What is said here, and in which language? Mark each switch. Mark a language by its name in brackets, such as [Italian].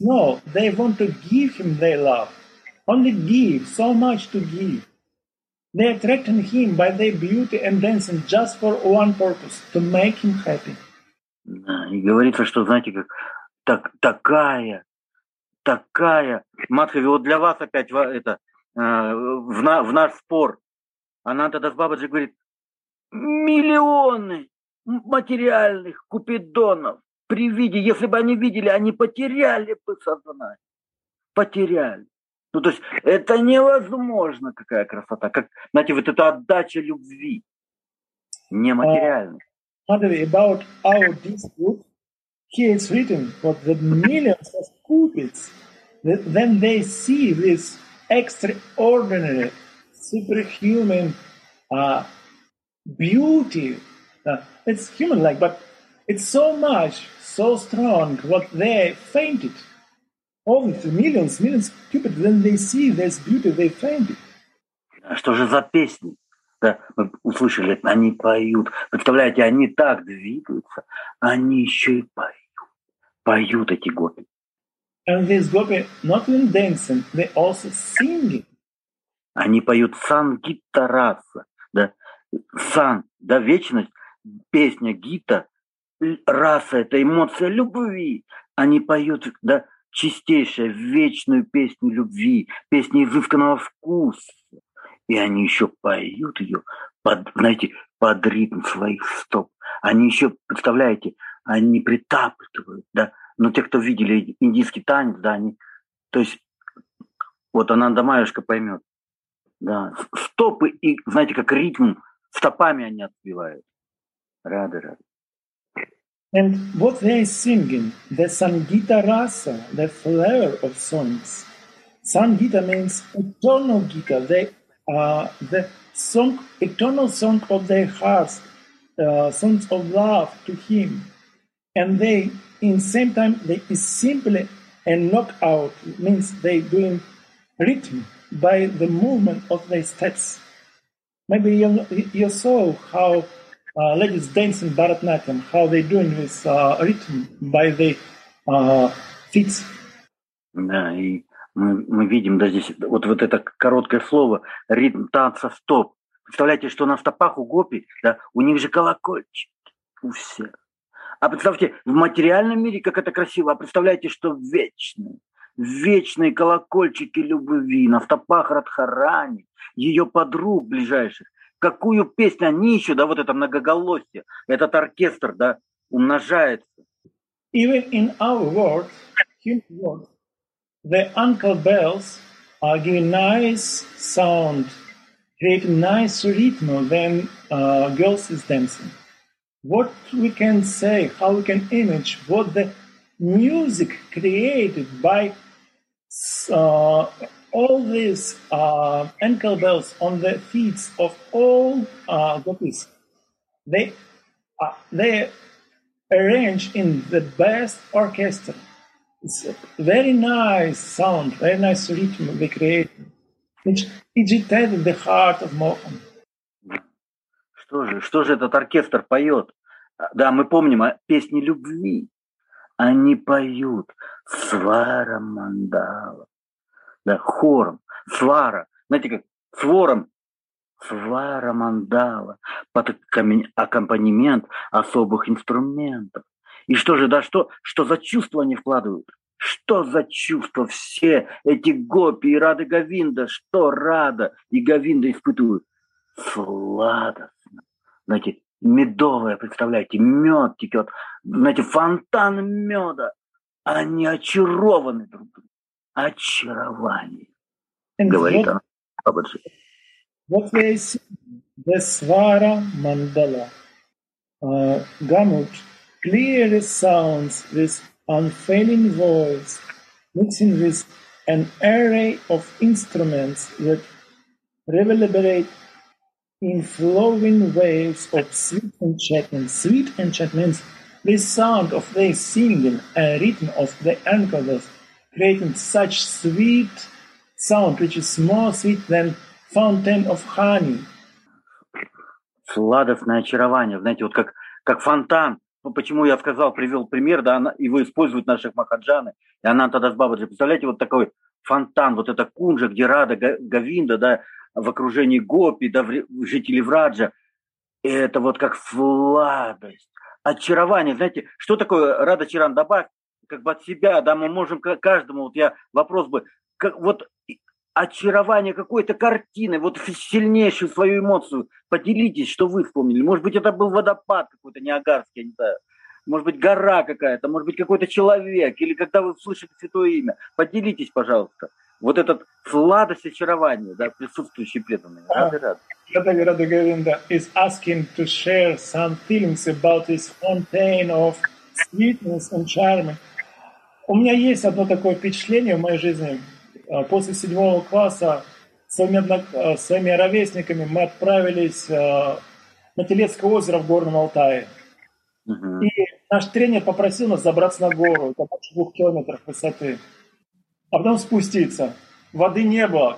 [English] No, they want to give him their love. Only give, so much to give. They attract him by their beauty and dancing just for one purpose, to make him happy. [Russian] И говорится, что, знаете, как так, такая. Матхави, вот для вас опять это, в наш спор. Она тогда с Бабаджи говорит, миллионы материальных купидонов при виде, если бы они видели, они потеряли бы сознание. Потеряли. Ну, то есть, это невозможно, какая красота. Как, знаете, вот эта отдача любви нематериальных. [English] Madhavi, about our dispute, here it's written, but the millions of cupids, then they see this extraordinary superhuman beauty. It's human-like, but it's so much, so strong, what they fainted. Only millions of cupids, when they see this beauty, they fainted. [Russian] Что же за песни? Да, мы услышали, они поют. Представляете, они так двигаются, они еще и поют. Поют эти гопи. [English] And these gopi not only dancing, they also singing. [Russian] Они поют сангитта раса, да, сан, да, вечность, песня гита, раса, это эмоция любви. Они поют, да, чистейшую, вечную песню любви, песню изысканного вкуса. И они еще поют ее под, знаете, под ритм своих стоп. Они еще, представляете, они притапливают, да, но те, кто видели индийский танец, да, они, то есть, вот она, Дамаюшка, поймет. Да, стопы и, знаете, как ритм, стопами они отбивают. Рады. [English] And what they are singing, the Sangita Rasa, the flower of songs. Sangita means eternal Gita, the song, eternal song of their hearts, songs of love to him. And they, in same time, they is simply a knockout, means they doing rhythm by the movement of their steps. Maybe you saw how ladies dance in Bharatnatyam, how they doing this rhythm by the feet. [Russian] Да, и мы видим, да, здесь вот это короткое слово, ритм танца стоп. Представляете, что на стопах у гопи, да, у них же колокольчик у всех. А представьте, в материальном мире как это красиво, а представляете, что вечное. Вечные колокольчики любви на стопах Радхарани, ее подруг ближайших. Какую песню они еще, да, вот это многоголосие, этот оркестр, да, умножается. [English] Even in our world, human world, the uncle bells are giving nice sound, create nice rhythm when girls is dancing. What we can say, how we can image what the music created by all these ankle bells on the feet of all gopis, they arrange in the best orchestra. It's a very nice sound, very nice rhythm they create, which agitated the heart of Mohan. [Russian] Что же этот оркестр поет? Да, мы помним о песне любви. они поют свара мандала. Да, хором, свара, знаете, как свором, свара мандала, под аккомпанемент особых инструментов. И что же, да что, что за чувства они вкладывают? Что за чувства все эти гопи и Рада Говинда, что Рада и Говинда испытывают? Сладостно. Знаете, медовое, представляете, мед текет. Знаете, фонтан меда. Они очарованы друг другом. Очарование. Говорит она. Бабаджи. Вот весь Весвара Мандала. Гамут. [English] Clear sounds with unfailing voice, mixing with an array of instruments that reverberate in flowing waves of sweet enchantment. Sweet enchantment, the sound of their singing and rhythm of the encoders creating such sweet sound, which is more sweet than fountain of honey. [Russian] Сладостное очарование, знаете, вот как фонтан. Ну, почему я сказал, привел пример, да, его используют наши махаджаны, и она тогда с Бабаджи, представляете, вот такой фонтан, вот эта кунжа, где Рада Говинда, да, в окружении гопи, да, жители Враджа, это вот как сладость, очарование, знаете, что такое Рада Чаран, добавь, как бы от себя, да, мы можем каждому, вот я вопрос бы, как, вот очарование какой-то картины, вот сильнейшую свою эмоцию. Поделитесь, что вы вспомнили. Может быть, это был водопад какой-то Ниагарский, я не знаю. Может быть, гора какая-то, может быть, какой-то человек, или когда вы услышите святое имя. Поделитесь, пожалуйста. Вот эта сладость очарования, да, присутствующие преданные. [English] Рада Говинда is asking to share some feelings about this fountain of sweetness and charm. [Russian] У меня есть одно такое впечатление в моей жизни. После седьмого класса своими ровесниками мы отправились на Телецкое озеро в Горном Алтае. И наш тренер попросил нас забраться на гору, это больше 2 километров высоты, а потом спуститься. Воды не было.